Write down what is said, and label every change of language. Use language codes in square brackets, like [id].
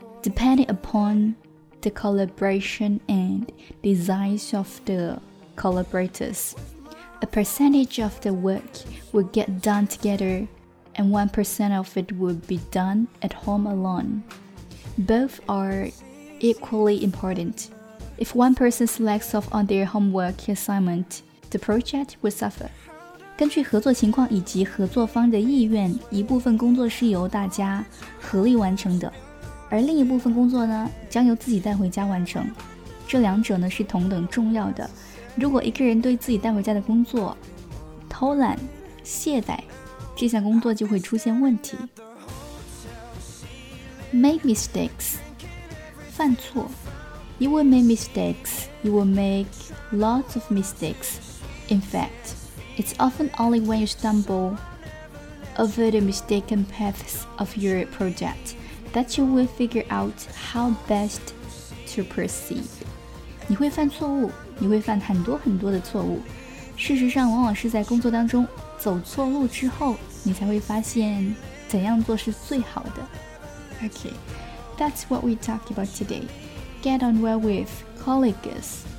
[en] Depending upon the collaboration and designs of the collaborators, a percentage of the work will get done together and 1% of it will be done at home alone. Both are equally important. If one person slacks off on their homework assignment, the project will suffer. [zh] 根据合作情况以及合作方的意愿，一部分工作是由大家合力完成的，而另一部分工作呢，将由自己带回家完成。这两者呢是同等重要的。如果一个人对自己带回家的工作偷懒、懈怠，这项工作就会出现问题。 [en] Make mistakes. [zh] 犯错 [en] You will make mistakes. You will make lots of mistakes. In fact, it's often only when you stumble over the mistaken paths of your project that you will figure out how best to proceed. [zh] 你会犯错误，你会犯很多很多的错误。事实上，往往是在工作当中走错路之后，你才会发现怎样做是最好的。 [en] Okay. That's what we talked about today. Get on well with colleagues.